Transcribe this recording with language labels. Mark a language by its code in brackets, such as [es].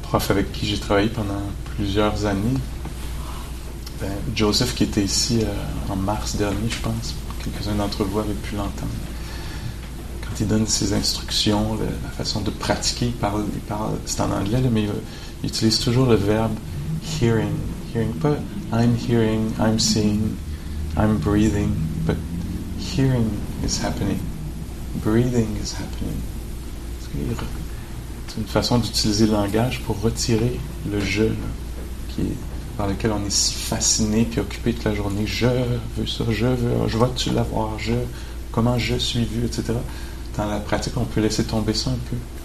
[fr] Avec qui j'ai travaillé pendant plusieurs années. Ben, Joseph, qui était ici en mars dernier, je pense, quelques-uns d'entre vous avaient pu l'entendre. Quand il donne ses instructions, la façon de pratiquer, il parle, c'est en anglais, là, mais il utilise toujours le verbe hearing. [en] Hearing, pas I'm hearing, I'm seeing, I'm breathing, but hearing is happening. Breathing is happening. [fr] C'est une façon d'utiliser le langage pour retirer le « je » par lequel on est si fasciné puis occupé toute la journée. « Je veux ça, je veux, je vois-tu l'avoir, je, comment je suis vu, etc. » Dans la pratique, on peut laisser tomber ça un peu.